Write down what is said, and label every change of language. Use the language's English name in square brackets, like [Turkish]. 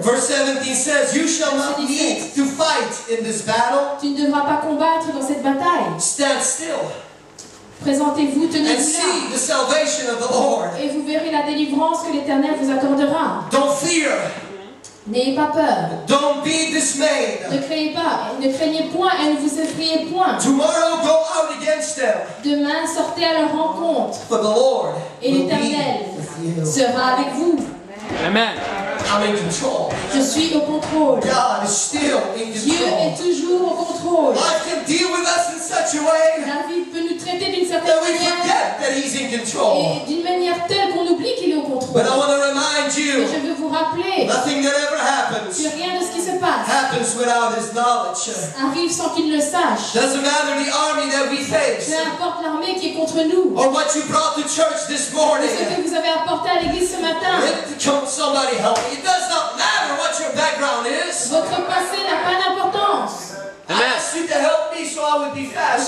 [English] Verse 17 says, you shall not need to fight in this battle. [French] Tu ne devras pas combattre dans cette bataille. [English] Stand still. [French] Présentez-vous, tenez-vous [English] là. And see the salvation of the Lord. [French] Et vous verrez la délivrance que l'Éternel vous accordera. [English] Don't fear. [French] N'ayez pas peur. [English] Don't be dismayed. [French] Ne craignez pas, ne craignez point et ne vous effrayez point. [English] Tomorrow go out against them. [French] Demain sortez à leur rencontre. [English] For the Lord [French] et l'Éternel sera avec vous. [English] Amen. I'm in control. [French] Je suis au contrôle. [English] God is still in control. [French] Dieu est toujours au contrôle. [English] Life can deal with us in such a way, [French] la vie peut nous traiter d'une certaine [English] that [French] manière [English] we forget that he's in control. [French] Et d'une manière telle qu'on oublie qu'il est au contrôle. [English] But I want to remind you, [French] je veux vous rappeler, [English] nothing that ever happens, [French] que rien de ce qui se passe [English] happens without his knowledge, [French] arrive sans qu'il le sache. [English] Doesn't matter the army that we face, [French] peu importe l'armée qui est contre nous, [English] or what you brought to church this morning, [French] ou ce que vous avez apporté à l'église ce matin. [English] Somebody help me. It does not matter what your background is. [French] Votre passé n'a pas d'importance. [English] Amen. I asked you to help me so I would be fast.